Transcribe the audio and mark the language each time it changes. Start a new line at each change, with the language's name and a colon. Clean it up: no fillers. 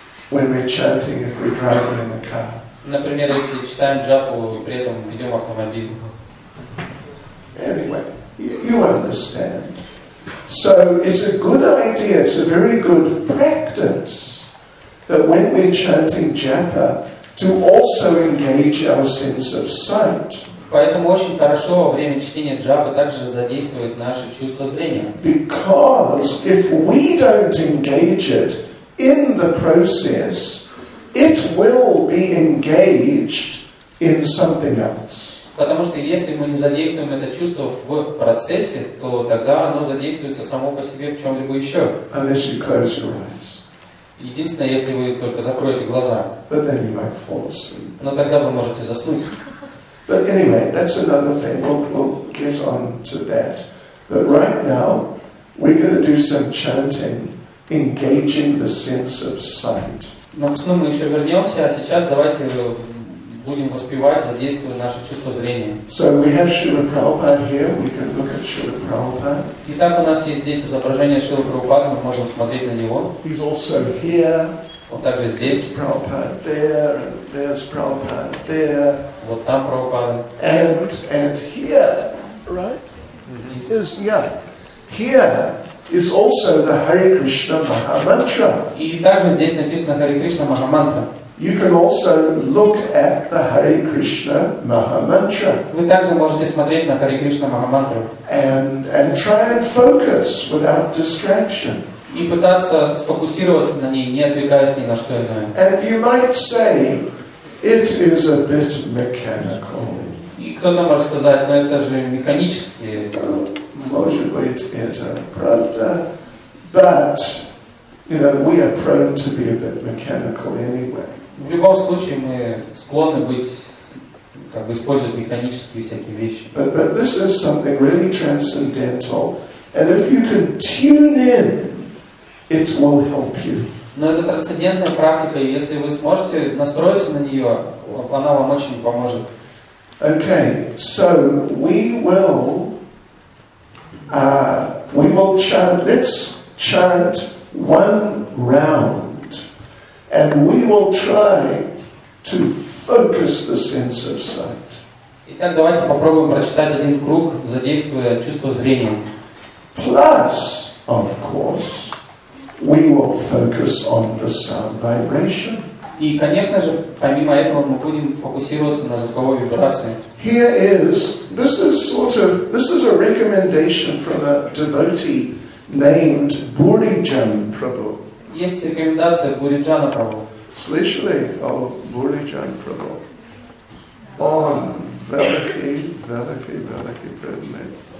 English: When we're chanting, if we're driving in the car.
Russian: Например, если читаем джапу и при этом ведем автомобиль.
English: Anyway, you understand. So it's a good idea, it's a very good practice that when we're chanting japa, to also engage our sense of sight.
Russian: Поэтому очень хорошо во время чтения джапы также задействует наше чувство зрения.
English: Because if we don't engage it in the process, it will be engaged in something else.
Russian: Потому что если мы не задействуем это чувство в процессе, то тогда оно задействуется само по себе в чем-либо еще.
English: Unless you close your eyes.
Russian: Единственное, если вы только закроете глаза.
English: But then you might fall asleep.
Russian: Но тогда вы можете заснуть.
English: But anyway, that's another thing. We'll get on to that. But right now, we're going to do some chanting, engaging the sense of sight.
Russian: Но к сну мы еще вернемся, а сейчас давайте будем будем воспевать, задействуя наши чувства зрения.
English: So we have Srila Prabhupada here, we can look at Srila Prabhupada.
Russian: Итак, у нас есть здесь изображение Шрилы Прабхупады, мы можем смотреть на него.
English: He's also here.
Russian: Он также здесь.
English: There's Prabhupada there, and there's Prabhupada there.
Russian: Вот там Прабхупада.
English: And here, right? Is, yeah. Here is also the Hare Krishna Mahamantra.
Russian: И также здесь написано Hare Krishna Mahamantra.
English: You can also look at the Hare Krishna Mahamantra.
Russian: Вы также можете смотреть на Hare Krishna Mahamantra.
English: And try and focus without distraction.
Russian: И пытаться сфокусироваться на ней, не отвлекаясь ни на что иное.
English: And you might say, it is a bit mechanical.
Russian: И кто-то может сказать, но это же механически. Может быть, это правда,
English: but you know, we are prone to be a bit mechanical anyway.
Russian: В любом случае мы склонны быть, как бы использовать механические всякие вещи.
English: But this is something really transcendental, and if you can tune in, it will help you.
Russian: Но это трансцендентная практика, и если вы сможете настроиться на нее, она вам очень поможет.
English: Okay, so we will chant. Let's chant one round. And we will try to focus the sense of sight.
Russian: Итак, давайте попробуем прочитать один круг, задействуя чувство зрения.
English: Plus, of course, we will focus on the sound vibration.
Russian: И, конечно же, помимо этого мы будем фокусироваться на звуковой вибрации.
English: Here is, this is a recommendation from a devotee named Burijan Prabhu.
Russian: Есть рекомендация Буриджана Прабху. Слышали о Буриджан Прабху? Он великий, великий, великий предмет.